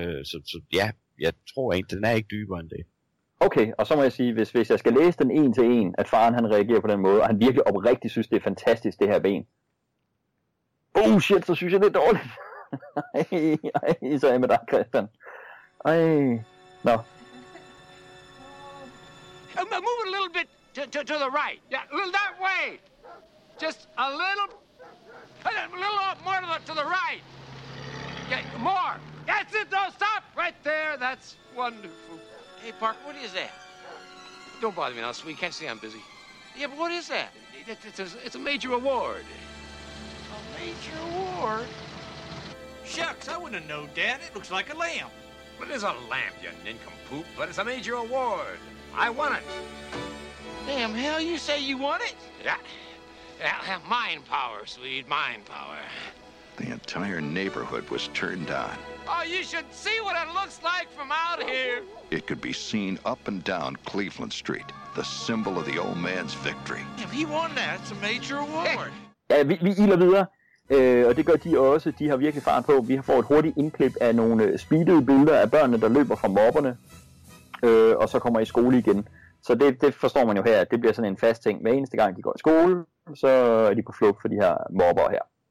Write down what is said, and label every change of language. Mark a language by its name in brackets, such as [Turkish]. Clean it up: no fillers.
[Danish] Så jeg tror egentlig, den er ikke dybere end det. Okay, og så må jeg sige, hvis jeg skal læse den en til en, at faren han reagerer på den måde, og han virkelig oprigtigt synes, det er fantastisk, det her ben. [English] Oh shit, [Danish] så synes jeg, det er dårligt. Ej, så er jeg med dig, Christian. Ej, nå. [English] Move it a little bit to the right. Yeah, a little that way. Just a little more to the right. Yeah, more. That's it, though. Stop right there. That's wonderful. Hey, Park, what is that? Don't bother me now, sweetie. Can't see I'm busy. Yeah, but what is that? It's a major award. A major award? Shucks, I wouldn't have known, Dad. It looks like a lamp. But it is a lamp, you nincompoop. But it's a major award. I want it. Damn hell, you say you want it? Yeah. Mind power, sweet. Mind power. The entire neighborhood was turned on. Oh, you should see what it looks like from out here. It could be seen up and down Cleveland Street, the symbol of the old man's victory. If he won that, it's a major award. [Danish] Ja, vi iler videre, og det gør de også. De har virkelig fart på. Vi har fået et hurtigt indklip af nogle speedede billeder af børnene, der løber fra mobberne, og så kommer i skole igen. Så det forstår man jo her, at det bliver sådan en fast ting. Hver eneste gang, de går i skole, så er de på flugt for de her mobber her.